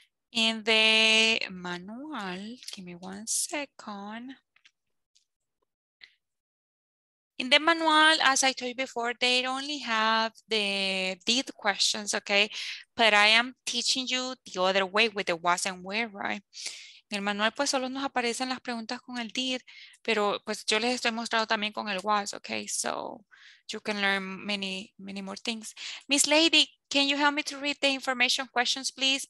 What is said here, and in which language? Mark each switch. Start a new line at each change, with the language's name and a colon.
English: In the manual, give me 1 second. In the manual, as I told you before, they only have the did questions, okay? But I am teaching you the other way with the was and where, right?
Spanish: En el manual, pues solo nos aparecen las preguntas con el did, pero pues yo les estoy mostrando también con el was, okay?
English: So you can learn many, many more things. Miss Lady, can you help me to read the information questions, please?